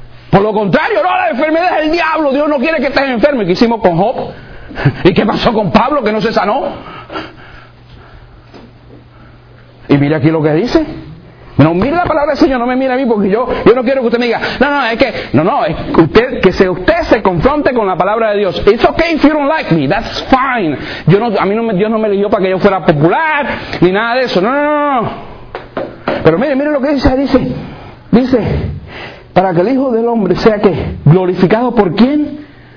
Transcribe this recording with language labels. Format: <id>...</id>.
<es>Por lo contrario, no, la enfermedad es el diablo. Dios no quiere que estés enfermo. ¿Y qué hicimos con Job? ¿Y qué pasó con Pablo que no se sanó? Y mira aquí lo que dice. No mire la palabra del Señor, no me mire a mí, porque yo no quiero que usted me diga, es que usted se confronte con la palabra de Dios.</es> <en>It's okay if you don't like me, that's fine.</en> <es>Dios no me eligió para que yo fuera popular ni nada de eso. No. Pero mire lo que dice, para que el Hijo del Hombre sea que glorificado por quién,</es>